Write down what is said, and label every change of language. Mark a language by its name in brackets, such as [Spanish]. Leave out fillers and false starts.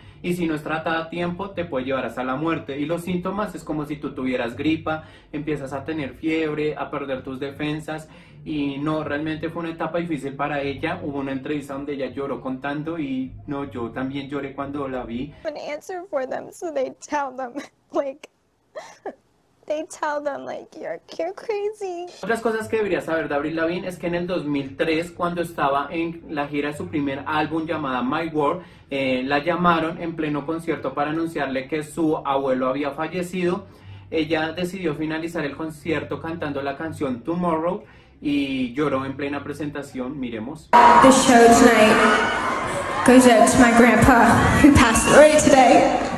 [Spanish] Y si no es tratada a tiempo, te puede llevar hasta la muerte. Y los síntomas es como si tú tuvieras gripa, empiezas a tener fiebre, a perder tus defensas. Y no, realmente fue una etapa difícil para ella. Hubo una entrevista donde ella lloró contando y no, yo también lloré cuando la vi. [English] An answer for them, so they tell them, like, they tell them, like, you're crazy. [Spanish] Otras cosas que deberías saber de Avril Lavigne es que en el 2003, cuando estaba en la gira de su primer álbum llamada My World, la llamaron en pleno concierto para anunciarle que su abuelo había fallecido. Ella decidió finalizar el concierto cantando la canción Tomorrow y lloró en plena presentación, miremos. [English] The show tonight goes out to my grandpa who passed away today.